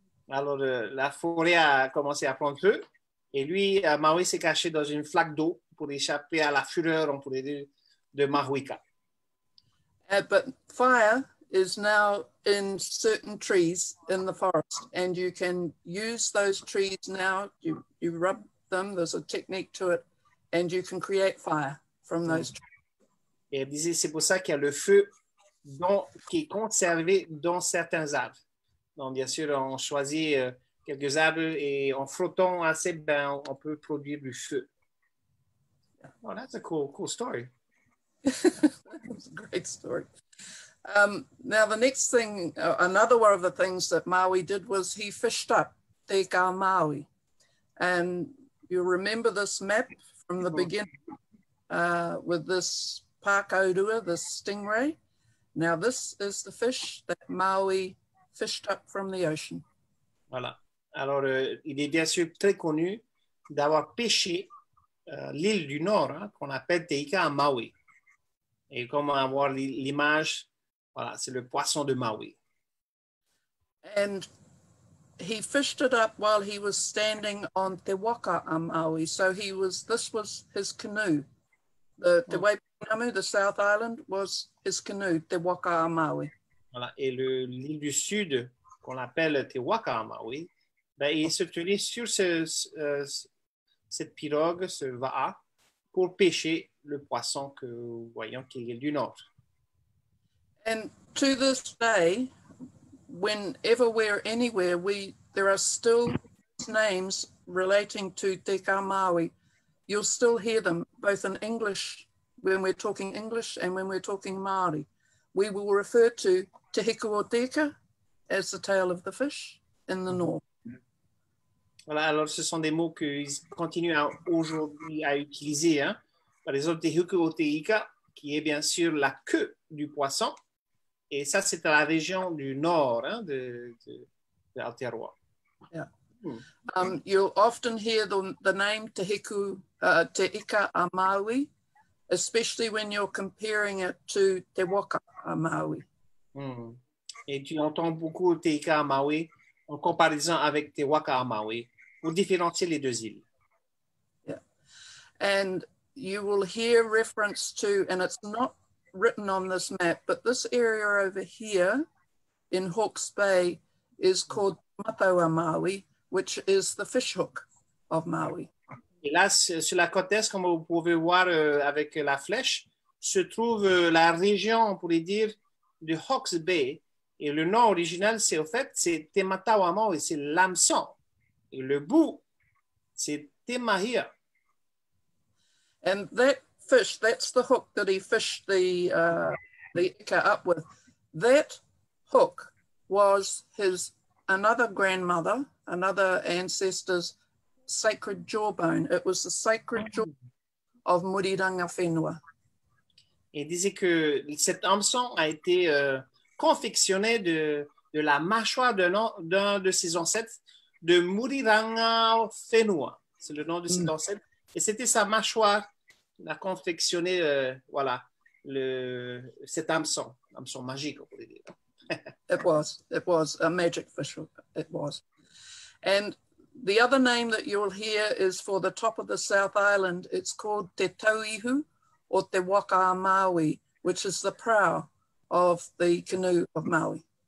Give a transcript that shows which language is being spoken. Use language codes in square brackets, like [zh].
[fr] Alors, la forêt a commencé à prendre feu, et lui, Maui s'est caché dans une flaque d'eau pour échapper à la fureur, on pourrait dire, de Mahuika. [en] But fire is now in certain trees in the forest, and you can use those trees now. You rub them. There's a technique to it, and you can create fire from those trees. [fr] Et disait, c'est pour ça qu'il y a le feu dont, qui est conservé dans certains arbres. Donc, bien sûr, on choisit quelques arbres et en frottant assez, ben, on peut produire du feu. [en] Oh, that's a cool story. That's a great story. Now, the next thing, another one of the things that Maui did was he fished up Te Kau Maui. And you remember this map from the beginning with this pākaurua, this stingray. Now, this is the fish that Maui fished up from the ocean. [fr] Voilà. Alors, il est bien sûr très connu d'avoir pêché l'île du Nord, hein, qu'on appelle Te Kau Maui. Et comment avoir l'image, voilà, c'est le poisson de Maui. [en] And he fished it up while he was standing on Te Waka a Maui. So he was, this was his canoe. The Te Waipounamu, the South Island, was his canoe, Te Waka a Maui. [fr] Voilà, et l'île du Sud, qu'on appelle Te Waka a Maui, ben, il se tenait sur cette pirogue, ce va'a, pour pêcher le poisson que voyons qui est du Nord. [en] And to this day, whenever we're anywhere, there are still names relating to Te Kau Maui. You'll still hear them, both in English, when we're talking English, and when we're talking Māori. We will refer to Te Hiku o Te Kau as the tale of the fish in the North. [fr] Voilà, alors ce sont des mots qu'ils continuent aujourd'hui à utiliser. Hein. Par exemple, Te Hiku o Te Kau, qui est bien sûr la queue du poisson. Et ça, c'est à la région du Nord, hein, de Aotearoa. [en] Yeah. Hmm. You'll often hear the name Te Hiku, Te Kau a Maui, especially when you're comparing it to Te Waka a Maui. Hmm. [fr] Et tu entends beaucoup Te Kau a Maui en comparaison avec Te Waka a Maui, pour différencier les deux îles. [en] Yeah. And you will hear reference to, and it's not written on this map, but this area over here in Hawke's Bay is called Matawa Maui, which is the fish hook of Maui. [fr] Et là, sur la côte est, comme vous pouvez voir avec la flèche, se trouve la région, on pourrait dire, de Hawke's Bay. Et le nom original, c'est au fait, c'est Te Matawa Maui, c'est l'hameçon. Et le bout, c'est Te Mahia. [en] And that fish, that's the hook that he fished the ika up with. That hook was his another grandmother, another ancestor's sacred jawbone. It was the sacred jaw of Muriranga Whenua. [fr] Il disait que cet hameçon a été confectionné de la mâchoire d'un de ses ancêtres, de Muriranga Whenua. C'est le nom de cet ancêtre. Et c'était sa mâchoire. A confectionné, voilà, cet hameçon, hameçon magique, on pourrait dire. [en] It was a magic fish, it was. And the other name that you'll hear is for the top of the South Island, it's called Te Tauihu or Te Waka Maui, which is the prow of the canoe of Maui.